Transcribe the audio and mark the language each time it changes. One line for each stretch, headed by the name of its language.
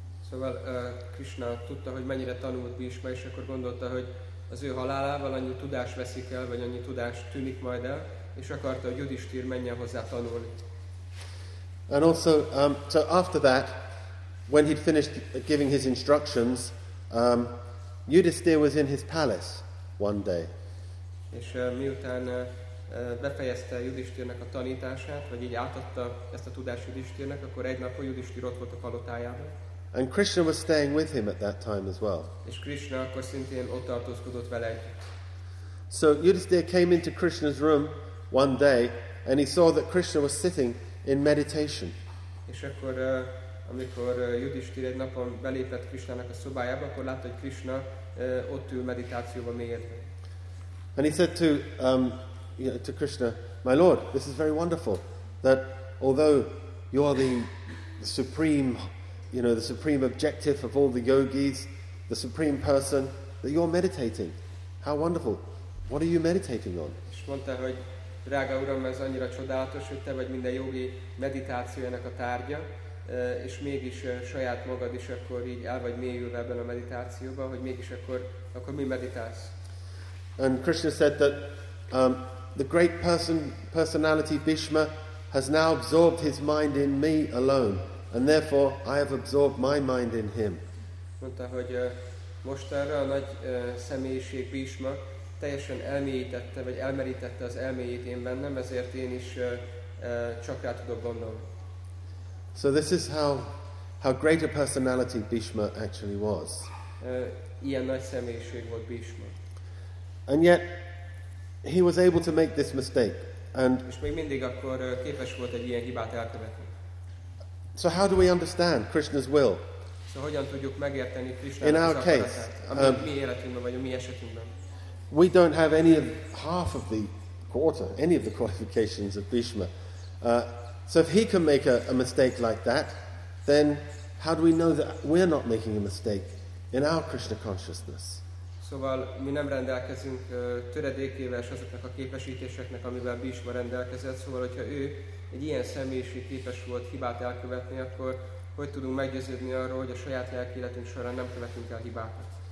Hungarian: Szóval Krishna tudta, hogy mennyire tanult Bhishma, és akkor gondolta, hogy az ő halálával annyi tudás veszik el, vagy annyi tudás tűnik majd el, és akarta, hogy Yudhisthira menjen hozzá tanulni.
English: And also, so after that, when he'd finished giving his instructions, Yudhisthira was in his palace one day.
Hungarian: És miután befejezte Yudhisthirnek a tanítását, vagy így átadta ezt a tudást Yudhisthirnek, akkor egy nap Yudhisthira ott volt a palotájában.
English: And Krishna was staying with him at that time as well.
Hungarian: És Krishna akkor szintén ott tartózkodott vele együtt.
English: So Yudhisthira came into Krishna's room one day, and he saw that Krishna was sitting in meditation.
Hungarian: És akkor, amikor Yudhisthira egy napon belépett Krishnának a szobájába, akkor látta, hogy Krishna ott ül meditációban mélyedve.
English: And he said to Krishna, "My Lord, this is very wonderful that although you are the supreme objective of all the yogis, the supreme person, that you're meditating. How wonderful. What are you meditating on?"
Hungarian: És mondta, hogy drága uram, ez annyira csodálatos, hogy te vagy minden jogi meditációjának a tárgya, és mégis saját magad is akkor így el vagy mélyülve ebben a meditációban, hogy mégis akkor mi meditálsz?
English: And Krishna said that the great personality Bhishma has now absorbed his mind in me alone, and therefore I have absorbed my mind in him.
Hungarian: Mondta, hogy mostanra a nagy személyiség Bhishma teljesen elmélyítette, vagy elmerítette az elméjét én bennem, ezért én is csak rá tudok gondolni.
English: So this is how great a personality Bhishma actually was.
Hungarian: Ilyen nagy személyiség volt Bhishma.
English: And yet, he was able to make this mistake, and
Hungarian: még mindig akkor képes volt egy ilyen hibát elkövetni.
English: So how do we understand Krishna's will?
Hungarian: So hogyan tudjuk megérteni Krishna
English: in our case,
Hungarian: mi életünkben vagy a mi esetünkben?
English: We don't have any of the qualifications of Bhishma. So if he can make a mistake like that, then how do we know that we're not making a mistake in our Krishna consciousness?
Hungarian: Szóval mi nem rendelkezünk töredékével és azoknak a képesítéseknek, amivel Bhishma rendelkezett, szóval hogyha ő egy ilyen személyiség képes volt hibát elkövetni, akkor hogy tudunk meggyőződni arról, hogy a saját lelki életünk során nem követünk el hibákat.